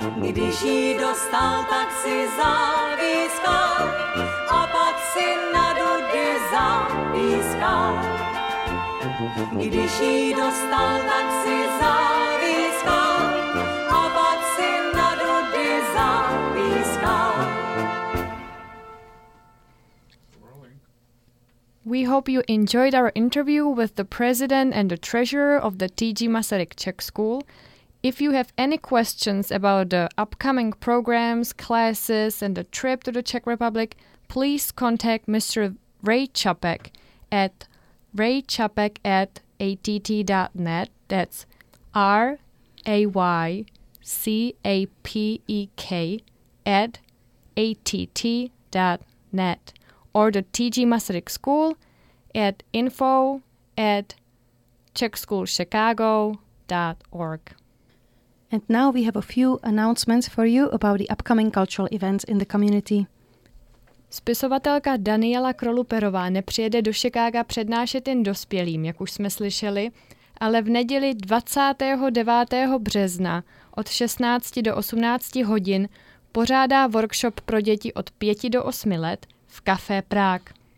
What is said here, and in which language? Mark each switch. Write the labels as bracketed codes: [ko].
[cs] Když jí dostal, tak si zavískal a pak si na dudy zavískal. Když jí dostal, tak si zavískal a pak si na dudy zavískal. [en] We hope you enjoyed our interview with the president and the treasurer of the TG Masaryk Czech School. If you have any questions about the upcoming programs, classes, and the trip to the Czech Republic, please contact Mr. Ray Chapek at raychapek@att.net. That's RayCapek at att.net. Or the TG Masaryk School at info@czechschoolchicago.org. And now we have a few announcements for you about the upcoming cultural events in the community. [cs] Spisovatelka Daniela Kroluperová nepřijede do Chicaga přednášet jen dospělým, jak už jsme slyšeli, ale v neděli 29. března od 16 do 18 hodin pořádá workshop pro děti od 5 do 8 let v Café Prague.